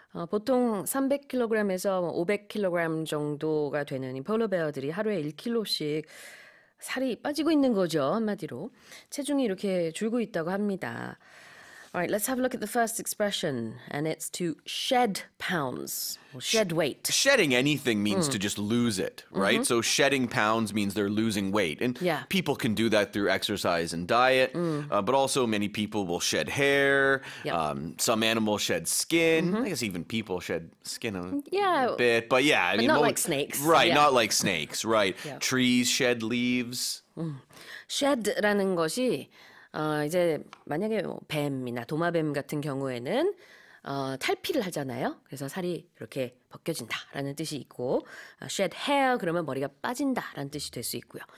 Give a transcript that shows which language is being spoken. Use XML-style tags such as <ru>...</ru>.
<ko>보통 300kg에서 500kg 정도가 되는 이 폴더베어들이 하루에 1kg씩 살이 빠지고 있는 거죠, 한마디로. 체중이 이렇게 줄고 있다고 합니다.</ko> <en>All right, let's have a look at the first expression, and it's to shed pounds, shed weight. Shedding anything means to just lose it, right? Mm-hmm. So shedding pounds means they're losing weight. And people can do that through exercise and diet, but also many people will shed hair, some animals shed skin. Mm-hmm. I guess even people shed skin a bit, but yeah. But I mean, like snakes. Right, not like snakes, right. Yeah. Trees shed leaves.</en> <ko>Shed라는 것이 이제 만약에 뱀이나 도마뱀 같은 경우에는 탈피를 하잖아요. 그래서 살이 이렇게 벗겨진다라는 뜻이 있고 shed hair 그러면 머리가 빠진다라는 뜻이 될 수 있고요.</ko>